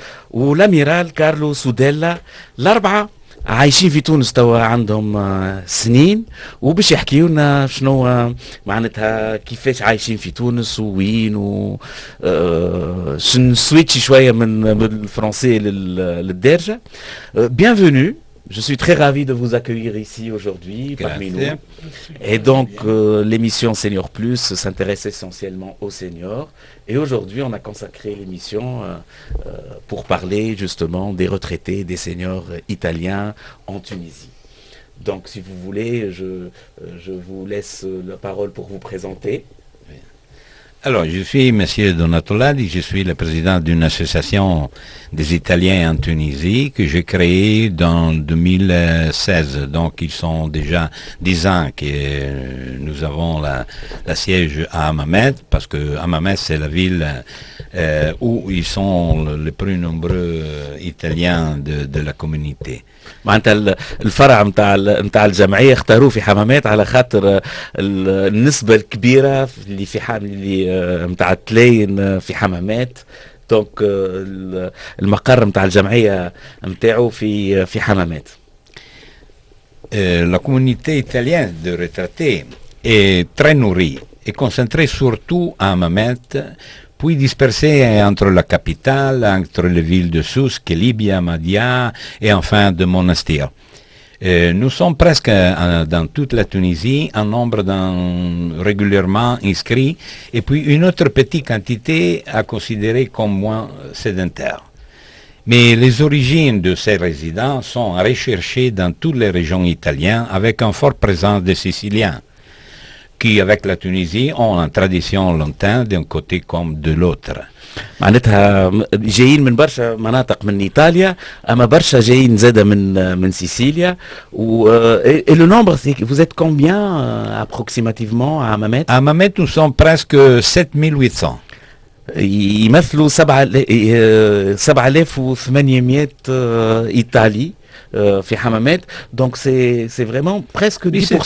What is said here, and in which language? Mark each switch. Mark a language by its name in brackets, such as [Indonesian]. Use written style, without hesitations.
[Arabic] والأميرال كارلو سوديلا. الأربعة عايشين في تونس توا عندهم سنين، وباش يحكيو لنا شنو معناتها كيفاش عايشين في تونس ووين. و سويتش شويه من الفرنسي للدارجه. [French] بيانفينو، je suis très ravi de vous accueillir ici aujourd'hui parmi nous. Et donc l'émission Senior Plus s'intéresse essentiellement aux seniors. Et aujourd'hui, on a consacré l'émission pour parler justement des retraités, des seniors italiens en Tunisie. Donc si vous voulez, je vous laisse la parole pour vous présenter. Alors, je suis Monsieur Donato Ladi, je suis le président d'une association des Italiens en Tunisie que j'ai créée dans 2016. Donc, ils sont déjà 10 ans que nous avons la siège à Hammamet, parce que Hammamet, c'est la ville où ils sont les plus nombreux Italiens de la communauté. [Arabic] معناتها الفرع نتاع الجمعية اختاروه في حمامات على خاطر النسبة الكبيرة اللي في اللي نتاع التلاين في حمامات. دونك المقر نتاع الجمعية نتاعو في حمامات. [French] La communauté italienne de retraité est très nourrie et concentrée surtout à Hammamet, puis dispersé entre la capitale, entre les villes de Sousse, Libya, Madia et enfin de Monastir. Nous sommes presque dans toute la Tunisie, un nombre régulièrement inscrit, et puis une autre petite quantité à considérer comme moins sédentaire. Mais les origines de ces résidents sont recherchées dans toutes les régions italiennes, avec une forte présence de Siciliens, qui, avec la Tunisie, ont une tradition longtemps d'un côté comme de l'autre. [Arabic] معناتها جايين من برشا مناطق من إيطاليا، أما برشا جايين زادة من سيسيليا. [French] Et le nombre, vous êtes combien approximativement à Hammamet? À Hammamet, nous sommes presque 7800. [Arabic] يمثلوا 7800 إيطالي. [French] Fait Hammamet, donc c'est vraiment presque 10%